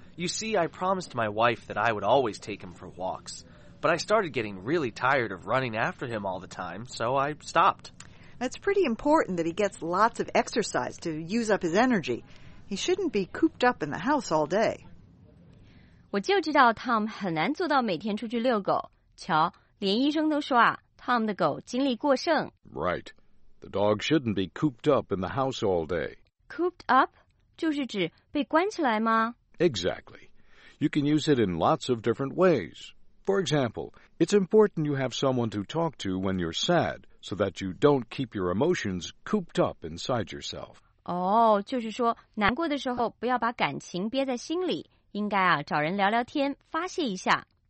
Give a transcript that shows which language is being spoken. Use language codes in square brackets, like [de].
[en] You see, I promised my wife that I would always take him for walks. But I started getting really tired of running after him all the time, so I stopped. It's pretty important that he gets lots of exercise to use up his energy. He shouldn't be cooped up in the house all day. [zh] 我就知道 Tom 很难做到每天出去遛狗。瞧，连医生都说啊， Tom 的狗精力过剩。 [en] Right. The dog shouldn't be cooped up in the house all day. Cooped up? [zh] 就是指被关起来吗？ [en] Exactly. You can use it in lots of different ways. For example, it's important you have someone to talk to when you're sad. So that you don't keep your emotions cooped up inside yourself. [zh] Oh, 就是说难过的时候不要把感情憋在心里，应该啊找人聊聊天，发泄一下。